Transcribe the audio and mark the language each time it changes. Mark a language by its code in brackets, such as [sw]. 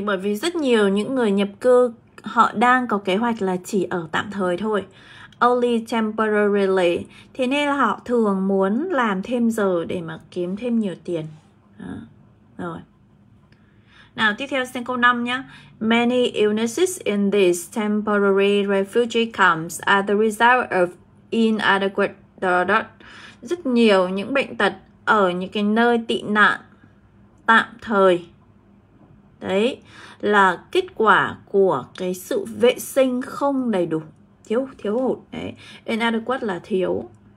[vi] Bởi vì rất nhiều những người nhập cư họ đang có kế hoạch là chỉ ở tạm thời thôi, [en] only temporarily. [vi] Thế nên là họ thường muốn làm thêm giờ để mà kiếm thêm nhiều tiền. Đó. Rồi. Nào, tiếp theo xem câu 5 nhé. [en] Many illnesses in these temporary refugee camps are the result of inadequate doctors. [vi] Rất nhiều những bệnh tật ở những cái nơi tị nạn tạm thời, đấy, là kết quả của cái sự vệ sinh không đầy đủ, thiếu hụt đấy. Inadequate là thiếu.